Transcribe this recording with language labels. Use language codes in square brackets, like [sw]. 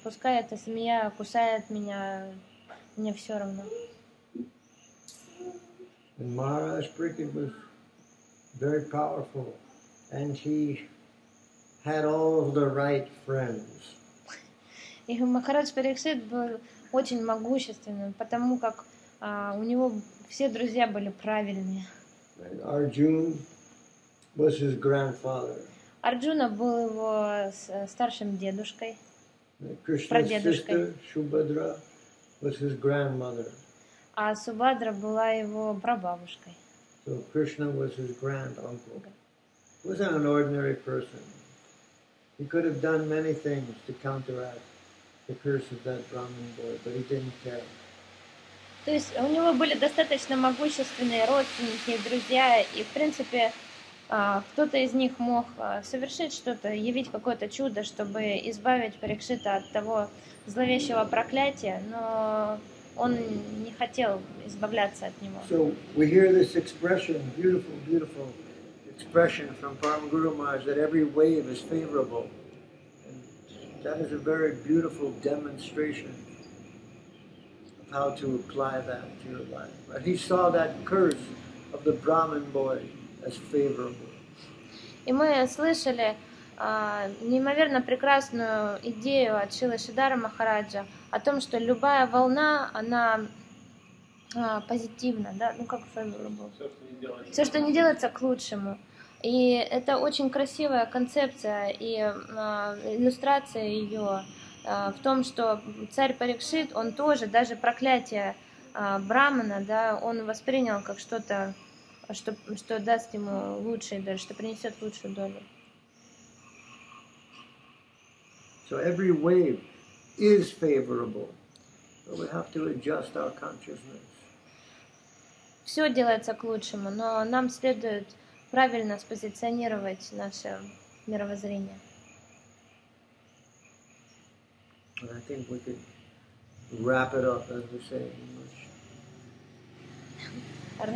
[ru] Пускай эта змея кусает меня, мне все равно. [en] And Maharaj Prickett was very powerful, and he had all of the right friends. [ru] И Махарадж Парикшит был очень могущественным, потому как у него все друзья были правильные. [en] Арджуна was his grandfather. [ru] Арджуна был его старшим дедушкой. [en] Кришна's sister Субхадра was his grandmother. [ru] А Субхадра была его прабабушкой. [en] So Krishna was his grand uncle. He wasn't an ordinary person. He could have done many things to counteract the curse of that Brahmin boy, but he didn't care. [ru] То есть у него были достаточно могущественные родственники, друзья, и в принципе кто-то из них мог совершить что-то, явить какое-то чудо, чтобы избавить Парикшита от того зловещего проклятия, но он не хотел избавляться от него. [en] So we hear this expression, beautiful, beautiful expression from Param Guru Maharaj, that every wave is favorable. And that is a very beautiful demonstration. How to apply that to your life. But he saw that curse of the Brahmin boy as favorable. [ru] И мы слышали неимоверно прекрасную идею от Шрилы Шридхара Махараджа о том, что любая волна, она позитивна, да? Ну как favorable? Все, что не делается к лучшему. И это очень красивая концепция и иллюстрация ее. В том, что царь Парикшит, он тоже, даже проклятие Брамана, да, он воспринял как что-то, что даст ему лучшее, даже что принесет лучшую долю. [en] So every wave is favorable, but we have to adjust our consciousness. [ru] Все делается к лучшему, но нам следует правильно спозиционировать наше мировоззрение. [en] And I think we could wrap it up, as we say in English.